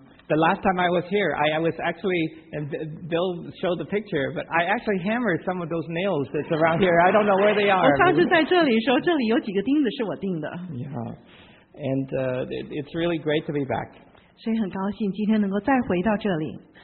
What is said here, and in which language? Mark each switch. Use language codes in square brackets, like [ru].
[en] The last time I was here, I was actually, and Bill showed the picture, but I actually hammered some of those nails that's around here. I don't know where they are. [zh] 我上次在这里说，这里有几个钉子是我钉的。 [en] Yeah. And it's really great to be back. [zh] 所以很高兴今天能够再回到这里。